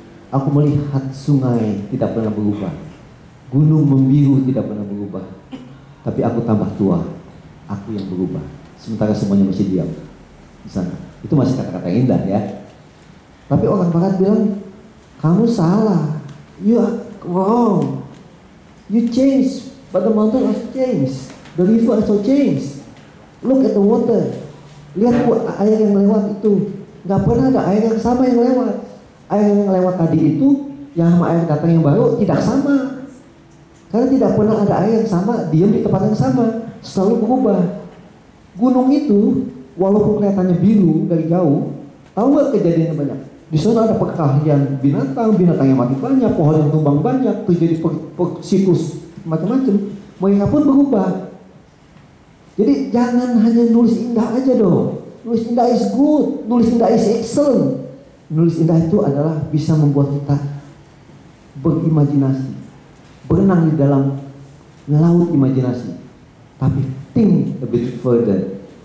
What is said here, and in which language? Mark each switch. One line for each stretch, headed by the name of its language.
Indonesian: Aku melihat sungai tidak pernah berubah. Gunung membiru tidak pernah berubah. Tapi aku tambah tua. Aku yang berubah. Sementara semuanya masih diam di sana. Itu masih kata-kata yang indah ya. Tapi orang barat bilang, kamu salah.
English: You are wrong. You change, but the mountain has changed. The river also changed. Look at the water.
Indonesian: Lihat air yang lewat itu. Gak pernah ada air yang sama yang lewat. Air yang lewat tadi itu, yang sama air datang yang baru, tidak sama. Karena tidak pernah ada air yang sama, diam di tempat yang sama. Selalu berubah. Gunung itu, walaupun kelihatannya biru dari jauh, tahu gak kejadiannya banyak? Di sana ada perkelahian binatang, binatang yang mati banyak, pohon yang tumbang banyak, terjadi siklus macam-macam. Mereka pun berubah. Jadi jangan hanya nulis indah aja dong. Nulis indah
English: is good,
Indonesian: nulis indah
English: is excellent.
Indonesian: Nulis indah itu adalah bisa membuat kita berimajinasi, berenang di dalam laut imajinasi.
English: Tapi think a bit further.